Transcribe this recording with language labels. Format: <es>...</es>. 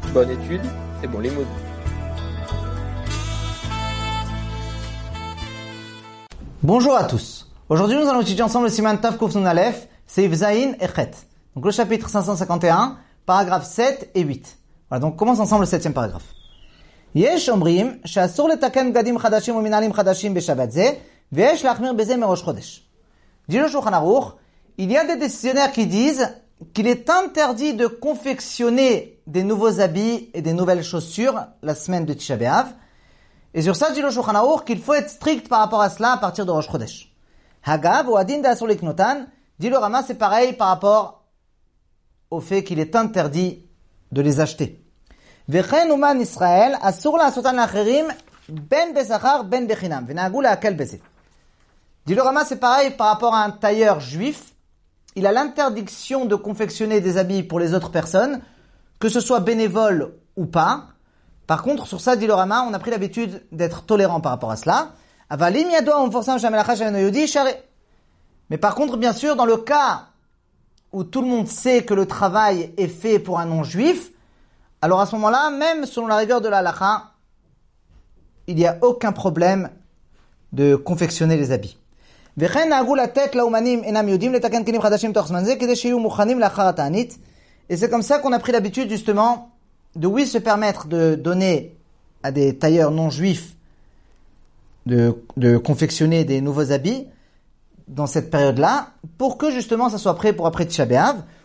<fr>Bonne étude et bon limoud. Bonjour à tous. Aujourd'hui, nous allons étudier ensemble le Siman Tav Kuf Nun Alef, Seif Zayin et Chet. Donc le chapitre 551, paragraphes 7 et 8. Voilà, donc commence ensemble le 7e paragraphe.</fr> <he>יש אומרים שאסור לתקן בגדים חדשים ומנהלים חדשים בשבת זה, ויש להחמיר בזה מראש חודש. דיר שולחן ארוך,</he> <fr>il y a des décisionnaires qui disent qu'il est interdit de confectionner des nouveaux habits et des nouvelles chaussures la semaine de Tisha B'Av. Et sur ça,</fr> <he>דיר שולחן ארוך,</he> <fr>qu'il faut être strict par rapport à cela à partir de ראש חודש.</fr> <he>הגב, הוא הדין דאסור לקנותן, דיר רמה,</he> <fr>c'est pareil par rapport au fait qu'il est interdit de les acheter.</fr> <he>וכן אומן ישראל אסור לעשותן לאחרים בין בזכר בין בחינם ונהגו להקל בזה.</he> <fr>דילו רמה c'est pareil par rapport à un tailleur juif. Il a l'interdiction de confectionner des habits pour les autres personnes, que ce soit bénévole ou pas. Par contre, sur ça, דילו רמה, on a pris l'habitude d'être tolérant par rapport à cela.</fr> <he>אבל אם ידוע ומפורסם שהמלאכה שלנו יהודי, שרי.</he> <fr>Mais par contre, bien sûr, dans le cas où tout le monde sait que le travail est fait pour un non-juif, alors à ce moment-là, même selon la rigueur de la halakha, il n'y a aucun problème de confectionner les habits.</fr> <he>וכן נהגו לתת לאומנים אינם יהודים לתקן כלים חדשים תוך זמן זה כדי שיהיו מוכנים לאחר התענית.</he> <fr>Et c'est comme ça qu'on a pris l'habitude justement de oui se permettre de donner à des tailleurs non juifs de confectionner des nouveaux habits dans cette période-là pour que justement ça soit prêt pour après Tisha B'Av.</fr>